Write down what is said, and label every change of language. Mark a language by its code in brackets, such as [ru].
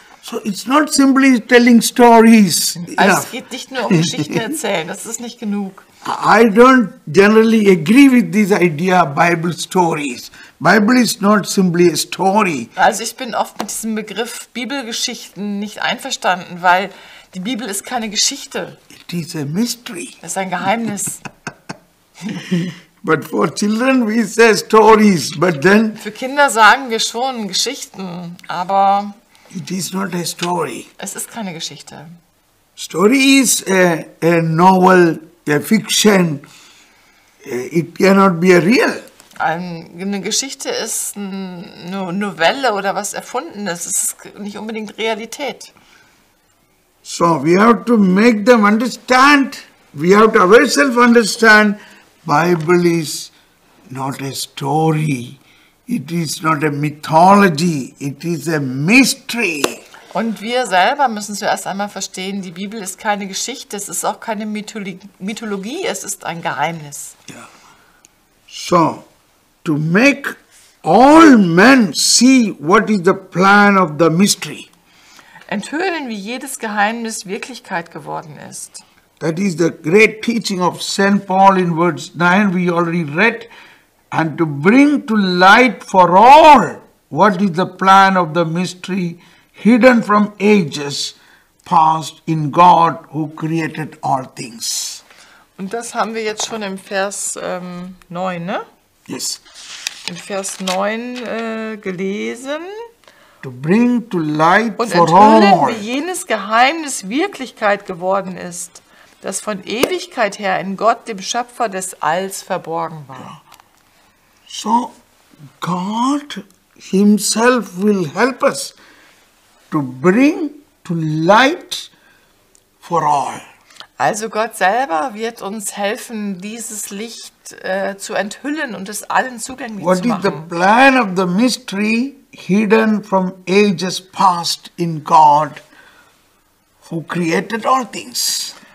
[en] So it's not simply telling stories. [de] Also es geht nicht nur um Geschichten erzählen, das ist nicht genug. [en] I don't generally agree with this idea of Bible stories. Bible is not simply a story. [de] Also ich bin oft mit diesem Begriff Bibelgeschichten nicht einverstanden, weil die Bibel ist keine Geschichte. [en] It is a mystery. [de] Es ist ein Geheimnis. [en] But for children we say stories, but then [de] für Kinder sagen wir schon Geschichten, aber [en] it is not a story. [de] Es ist keine Geschichte. [en] Story is a novel, a fiction. It cannot be a real. [de] Eine Geschichte ist eine Novelle oder was Erfundenes. Es ist nicht unbedingt Realität. [en] So we have to make them understand. We have to ourselves understand. Bible is not a story. It is not a mythology. It is a mystery. [de] Und wir selber müssen zuerst einmal verstehen, die Bibel ist keine Geschichte, es ist auch keine Mythologie, es ist ein Geheimnis. Yeah. [en] So, to make all men see what is the plan of the mystery. [de] Enthüllen, wie jedes Geheimnis Wirklichkeit geworden ist. [en] That is the great teaching of St. Paul in verse 9 we already read. And to bring to light for all what is the plan of the mystery hidden from ages past in God who created all things. [de] Und das haben wir jetzt schon im Vers 9, ne? [en] Yes. [de] Im Vers 9 gelesen. [en] To bring to light [de] und [en] for all. [de] Und enthüllen, wie jenes Geheimnis Wirklichkeit geworden ist, das von Ewigkeit her in Gott, dem Schöpfer des Alls, verborgen war. Ja. [en] So, God himself will help us to bring to light for all. [de] Also Gott selber wird uns helfen, dieses Licht zu enthüllen und es allen zugänglich [en] What [de] zu machen. [en] What is the plan of the mystery hidden from ages past in God who created all things?